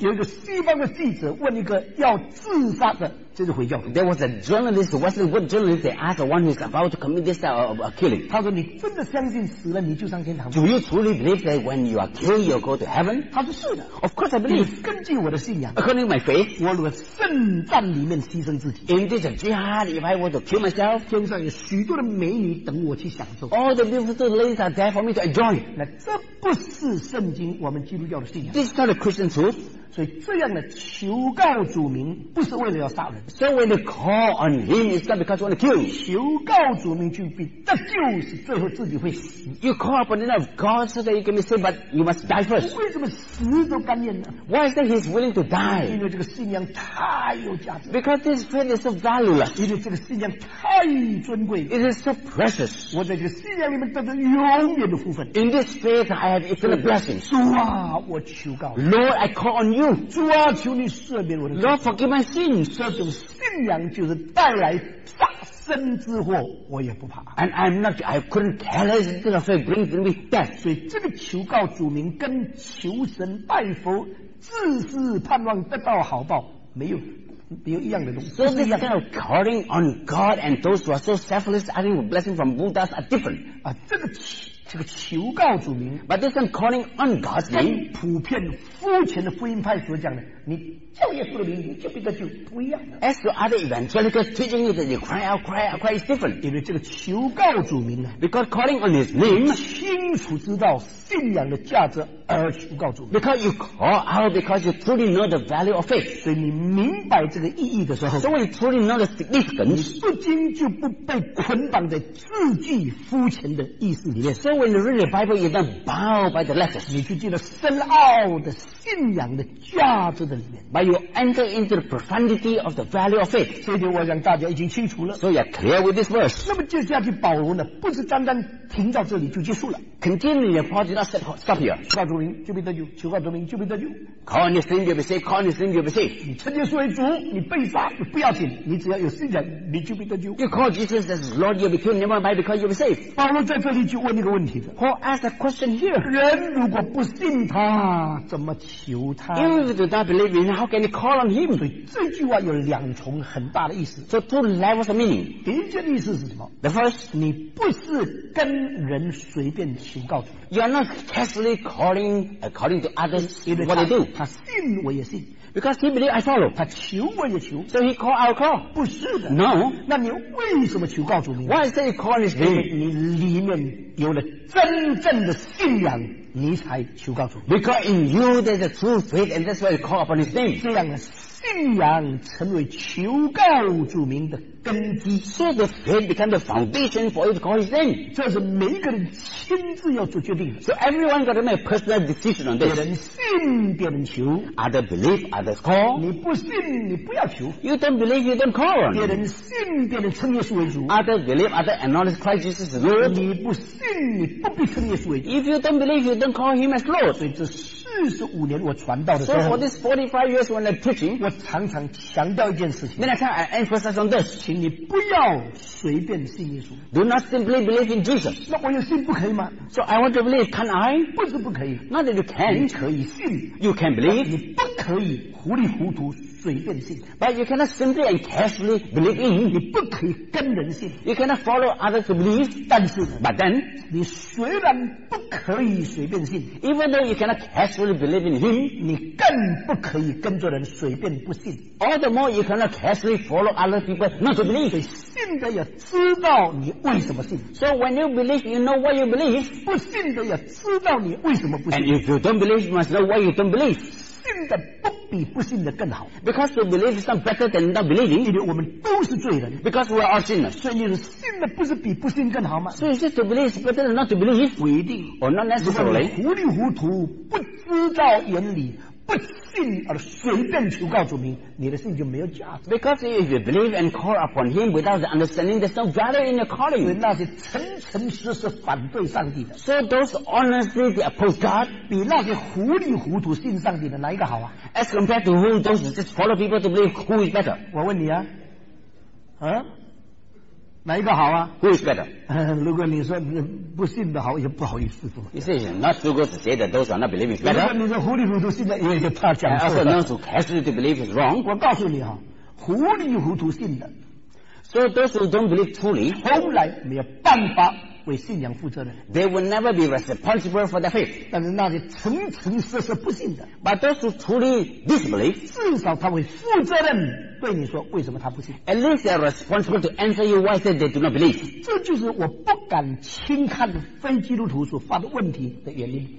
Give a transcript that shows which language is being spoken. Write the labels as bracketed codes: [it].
[zh] 有一个西方的记者问一个要自杀的，这是回教。 [en] There was a journalist, Western journalist, they asked one who is about to commit this type of killing. [zh] 他说：“你真的相信死了你就上天堂吗 [en] ？”Do you truly believe that when you are killed, you go to heaven? [zh] 他说：“是的。 [en] ”Of course, I believe. [zh] 根据我的信仰 [en] ，According to my faith, [zh] 我如果圣战里面牺牲自己 [en] ，In this jihad, if I were to kill myself, [zh] 天上有许多的美女等我去享受。 [en] All the beautiful ladies are there for me to enjoy. [zh] 那这不是圣经我们基督教的信仰。 [en] This is not a Christian truth. [zh] 所以这样的求告主名，不是为了要杀人。 [en] So when you call on him, it's not because you want to kill. [zh] 求告主名就必得救，是最后自己会死。 [en] You call upon the name of God so that you can be saved, but you must die first. [zh] 为什么死都甘愿呢？ [en] Why is that he's willing to die? [zh] 因为这个信仰太有价值。 [en] Because this faith is so valuable. [zh] 因为这个信仰太尊贵。 [en] It is so precious. [zh] 我在这个信仰里面得到永远的福分。 [en] In this faith, I have eternal blessings. [zh] 主啊，我求告。 [en] Lord, I call on you. [zh] 主啊，求你赦免我的。 [en] Lord, forgive my sins. [zh] 这种信仰就是带来杀生之祸，我也不怕。 [en] And I'm not, I couldn't tell us this is what brings me death. [zh] 所以这个求告主名跟求神拜佛、自私盼望得到好报没有。 [en] So this kind of calling on God and those who are so selfless asking for blessing from Buddhas are different. [zh] 啊，这个这个求告主名。 [en] But this kind of calling on God's name. [zh] 跟普遍肤浅的福音派所讲的，你叫耶稣的名，你就比他就不一样的。 [en] As to other evangelicals teaching you that you cry out, cry out, cry, it's different. [zh] 因为这个求告主名呢。 [en] Because calling on His name. [zh] 清楚知道信仰的价值而求告主名。 [en] Because you call out because you truly know the value of faith. [zh] 所以你明白。这个意义的时候，所以 [en] truly know the significance， [zh] 你不禁就不被捆绑在字句肤浅的意思里面。 [en] So when you read the Bible, you're not bound by the letters， [zh] 你就进了深奥的信仰的价值的里面。 [en] But you enter into the profundity of the value of faith。 [zh] 这一点我想大家已经清楚了。 [en] So you're clear with this verse。 [zh] 那么接下去保罗呢，不是单单停到这里就结束了。 [en] Continue your part, not stop here。 [zh] 求告主名就必得救，求告主名就必得救。 [en] Call on His name, you'll be saved. Call on His name, you'll be saved。 [zh] 你称耶稣为主。你被杀不要紧，你只要有信仰，你就被得救。 [en] You call Jesus as Lord, you'll be killed, never mind, because you'll be saved. [zh] 保罗在这里就问一个问题的。 [en] Paul asked a question here. [zh] 人如果不信他，怎么求他？ [en] If you do not believe in him, how can you call on him? [zh] 所以这句话有两重很大的意思。 [en] So two levels of meaning. [zh] 第一件意思是什么？ [en] The first, [zh] 你不是跟人随便求告主。 [en] You are not casually calling, calling to others what they do. [zh] 他信我也信。 [en] Because he believes I follow. [zh] 他求我也求。 [en] So he called, I'll call. [zh] 不是的。 [en] No. [zh] 那你为什么求告主名？ [en] Why is that he called his name? [zh] 你里面有了真正的信仰，你才求告主名。 [en] Because in you there's a true faith, and that's why you call upon his name. [zh] 这样的信仰成为求告主名的根基。 [en] So the faith becomes the foundation for you to call his name. [zh] 这是每一个人亲自要做决定的。 [en] So everyone got to make a personal decision on this. [zh] 别人信，别人求。 [en] Other believe, others call. [zh] 你不信，你不要求。 [en] You don't believe, you don't call. [zh] 别人信，别人称耶稣为主。 [en] Other believe, other acknowledge Christ Jesus as Lord. [zh] 你不信，你不必称耶稣为主。 [en] If you don't believe, you don't call him as Lord. [zh] 所以这45年我传道的时候。 [en] So for this 45 years when I'm teaching, [zh] 我常常强调一件事情。 [en] Many times I emphasize on this. [zh] 你不要随便信耶稣。 [en] Do not simply believe in Jesus. [zh] 那我有信不可以吗？ [en] So I want to believe. Can I? [zh] 不是不可以。 [en] Not that you can. [zh] 你可以信。 [en] You can believe. [zh] 你不可以糊里糊涂随便信。 [en] But you cannot simply and casually believe in. [zh] 你不可以跟人信。 [en] You cannot follow others to believe. [zh] 但是 [en] But then, [zh] 你虽然不可以随便信。 [en] Even though you cannot casually believe in him, [zh] 你更不可以跟着人随便不信。 [en] All the more you cannot casually follow other people not to believe. [zh] 信的也知道你为什么信。 [en] So when you believe, you know what you believe. [zh] 不信的也知道你为什么不信。 [en] And if you don't believe, you must know why you don't believe. [zh] 信的不比不信的更好。 [en] Because to believe is not better than not believing. [zh] 因为我们都是罪人。 [en] Because we are all sinners. [zh] 所以你信的不是比不信更好吗？ [en] So is it to believe is better than not to believe? [zh] 不一定。 [en] Or not necessarily. [zh] 如果你糊里糊涂，不知道原理，不信而随便求告主名，你的信就没有价值。 [en] Because if you believe and call upon him without the understanding, there's no value in your calling. [zh] 所以那些诚诚实实反对上帝的。 [en] So those honestly oppose God, [zh] 比那些糊里糊涂信上帝的哪一个好啊？ [en] As compared to whom those just follow people to believe, who is better? [zh] 我问你啊，哪一个好啊？ [en] Who is better? [zh] 如果你说不信的好，也不好意思说。 [en] You see, not so good to say that those who are not believing is better. [zh] 如果你说糊里糊涂信的，也就怕讲错了。 [en] And also those who casually to believe is wrong. [zh] 我告诉你啊，糊里糊涂信的。 [en] So those who don't believe truly, [zh] 从来没有办法为信仰负责任。 [en] They will never be responsible for their faith. [zh] 但是那些诚诚实实不信的。 [en] But those who truly disbelieve, [zh] 至少他会负责任。对你说为什么他不信。 [en] At least they are responsible to answer you why they do not believe. [zh] 这就是我不敢轻看非基督徒所发的问题的原因。